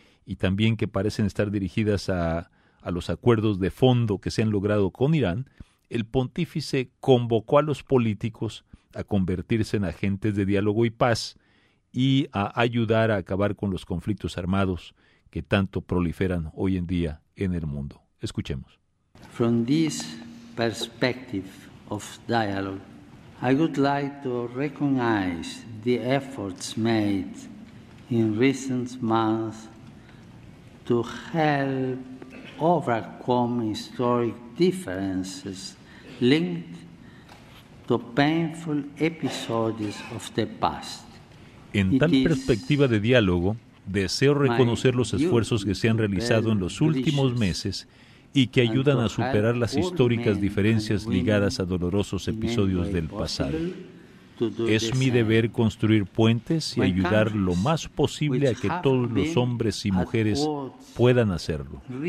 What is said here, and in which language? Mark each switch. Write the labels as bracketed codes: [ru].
[es] y también que parecen estar dirigidas a los acuerdos de fondo que se han logrado con Irán, el pontífice convocó a los políticos a convertirse en agentes de diálogo y paz y a ayudar a acabar con los conflictos armados que tanto proliferan hoy en día en el mundo. Escuchemos. [en] From this perspective of dialogue, I would like to recognize the efforts made in recent months to help overcome historic differences linked to painful episodes of the past. [es] En tal perspectiva de diálogo, deseo reconocer los esfuerzos que se han realizado en los últimos meses y que ayudan a superar las históricas diferencias ligadas a dolorosos episodios del pasado. Es mi deber construir puentes y ayudar lo más posible a que todos los hombres y mujeres puedan hacerlo.